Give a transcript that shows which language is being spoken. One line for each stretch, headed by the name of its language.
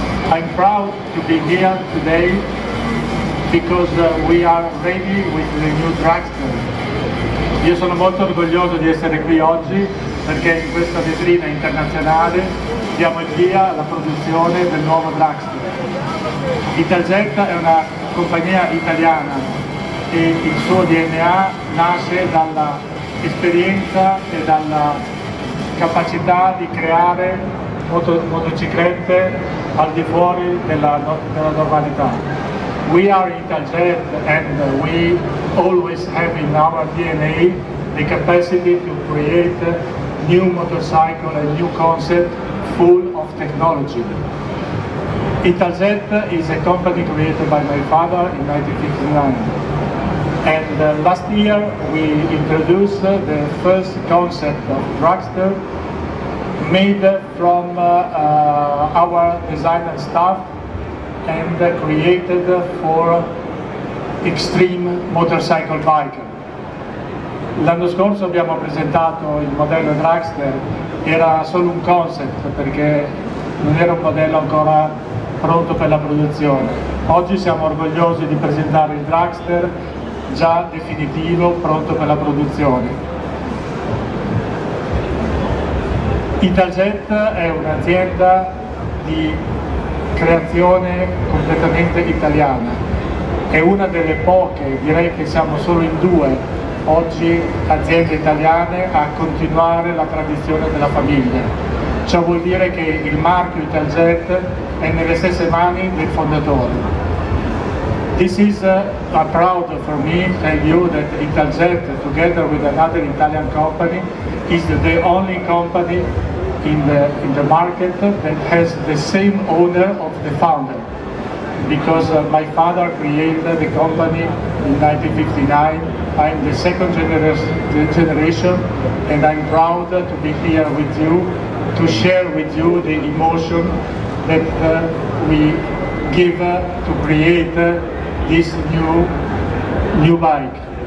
English: I'm proud to be here today because we are ready with the new Dragster.
Italian: Io sono molto orgoglioso di essere qui oggi perché in questa vetrina internazionale diamo il via alla produzione del nuovo Dragster. Italjet è una compagnia italiana e il suo DNA nasce dalla esperienza e dalla capacità di creare motociclette al di fuori della normalità.
English: We are Italjet and we always have in our DNA the capacity to create new motorcycle and new concept full of technology. Italjet is a company created by my father in 1959. And last year we introduced the first concept of Dragster made from our designer staff and created for extreme motorcycle biker.
Italian: L'anno scorso abbiamo presentato il modello Dragster, era solo un concept perché non era un modello ancora pronto per la produzione. Oggi siamo orgogliosi di presentare il Dragster già definitivo, pronto per la produzione. Italjet è un'azienda di creazione completamente italiana. È una delle poche, direi che siamo solo in due, oggi aziende italiane a continuare la tradizione della famiglia. Ciò vuol dire che il marchio Italjet è nelle stesse mani del fondatore.
English: This is a proud for me to tell you that Italjet, together with another Italian company, is the only company in the market that has the same owner of the founder. Because my father created the company in 1959, I'm the second generation, and I'm proud to be here with you, to share with you the emotion that we give to create this new bike.